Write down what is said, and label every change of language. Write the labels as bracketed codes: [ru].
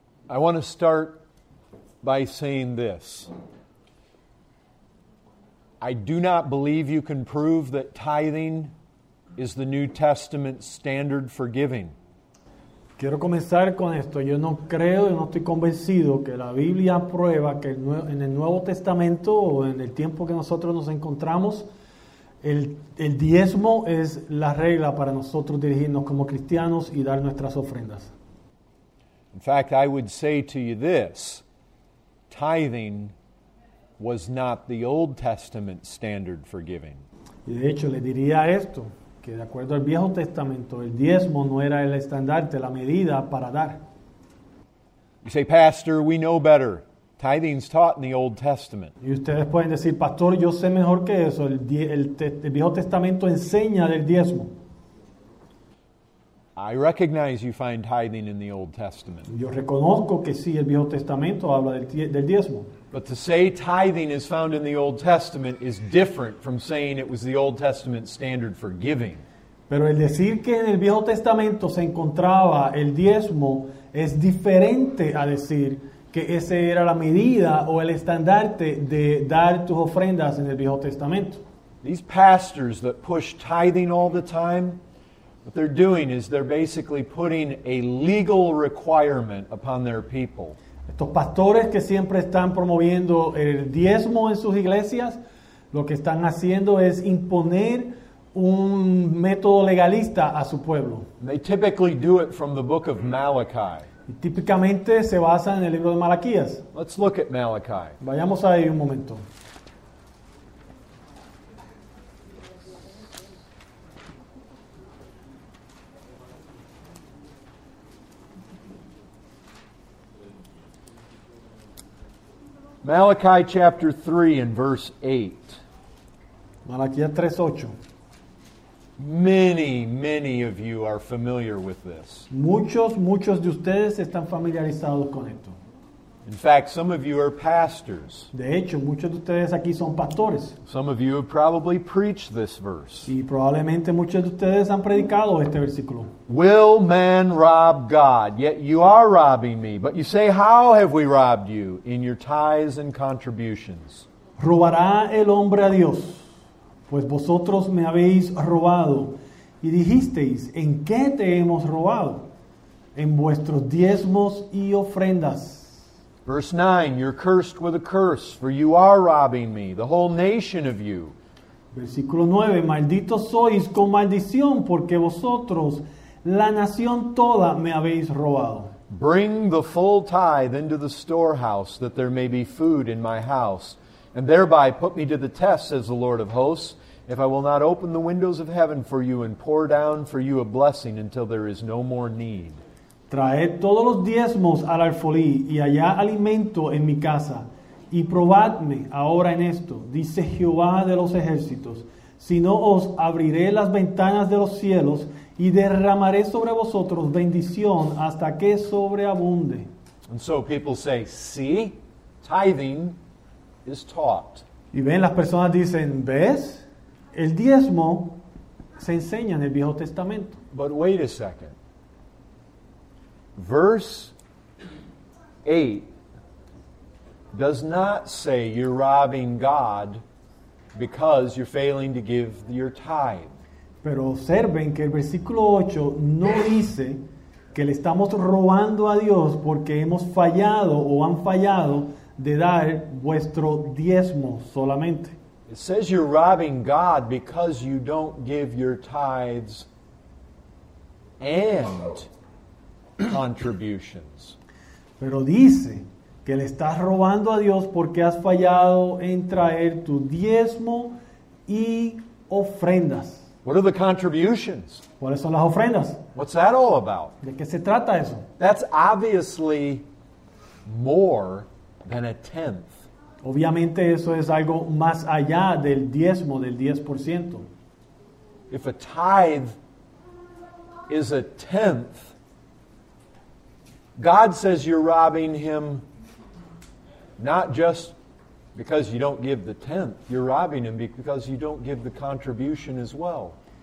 [en] I want to start by saying this. I do not believe you can prove that tithing is the New Testament standard for giving. [es] Quiero comenzar con esto. Yo no creo, yo no estoy convencido que la Biblia prueba que en el Nuevo Testamento o en el tiempo que nosotros nos encontramos, el diezmo es la regla para nosotros dirigirnos como cristianos y dar nuestras ofrendas. [en] In fact, I would say to you this, tithing was not the Old Testament standard for giving. [es] Y de hecho, le diría esto, que de acuerdo al Viejo Testamento, el diezmo no era el estandarte, la medida para dar. [en] You say, Pastor, we know better. Tithing's taught in the Old Testament. [es] Y ustedes pueden decir, Pastor, yo sé mejor que eso. El Viejo Testamento enseña del diezmo. [en] I recognize you find tithing in the Old Testament. [es] Yo reconozco que sí, el Viejo Testamento habla del diezmo. [en] But to say tithing is found in the Old Testament is different from saying it was the Old Testament standard for giving. [es] Pero el decir que en el Viejo Testamento se encontraba el diezmo es diferente a decir que ese era la medida o el estandarte de dar tus ofrendas en el Viejo Testamento. [en] These pastors that push tithing all the time, what they're doing is they're basically putting a legal requirement upon their people. [es] Estos pastores que siempre están promoviendo el diezmo en sus iglesias, lo que están haciendo es imponer un método legalista a su pueblo. [en] They typically do it from the book of Malachi. [es] Y típicamente se basan en el libro de Malaquías. [en] Let's look at Malachi. [es] Vayamos ahí un momento. [en] Malachi chapter 3 and verse 8. [es] Malaquías 3:8. [en] Many, many of you are familiar with this. [es] Muchos, muchos de ustedes están familiarizados con esto. [en] In fact, some of you are pastors. [es] De hecho, muchos de ustedes aquí son pastores. [en] Some of you have probably preached this verse. [es] Y probablemente muchos de ustedes han predicado este versículo. [en] Will man rob God? Yet you are robbing me. But you say, how have we robbed you? In your tithes and contributions. [es] ¿Robará el hombre a Dios? Pues vosotros me habéis robado. Y dijisteis, ¿en qué te hemos robado? En vuestros diezmos y ofrendas. [en] Verse 9, you're cursed with a curse, for you are robbing me, the whole nation of you. [es] Versículo 9, maldito sois con maldición, porque vosotros, la nación toda, me habéis robado. [en] Bring the full tithe into the storehouse, that there may be food in my house, and thereby put me to the test, says the Lord of hosts, if I will not open the windows of heaven for you and pour down for you a blessing until there is no more need. [es] Traed todos los diezmos al alfolí y allá alimento en mi casa y probadme ahora en esto, dice Jehová de los ejércitos, si no os abriré las ventanas de los cielos y derramaré sobre vosotros bendición hasta que sobreabunde. [en] And so people say, see, tithing is taught. [es] Y ven, las personas dicen, ¿ves? El diezmo se enseña en el Viejo Testamento. [en] But wait a second. Verse 8 does not say you're robbing God because you're failing to give your tithe. [es] Pero observen que el versículo 8 no dice que le estamos robando a Dios porque hemos fallado o han fallado de dar vuestro diezmo solamente. [en] It says you're robbing God because you don't give your tithes and contributions. [es] Pero dice que le estás robando a Dios porque has fallado en traer tu diezmo y ofrendas. [en] What are the contributions? [es] ¿Cuáles son las ofrendas? [en] What's that all about? [es] ¿De qué se trata eso? [en] That's obviously more than a tenth. [es] Obviamente eso es algo más allá del diezmo, del 10%. [en] If a tithe is a tenth, God says you're robbing him not just because you don't give the tenth, you're robbing him because you don't give the contribution as well.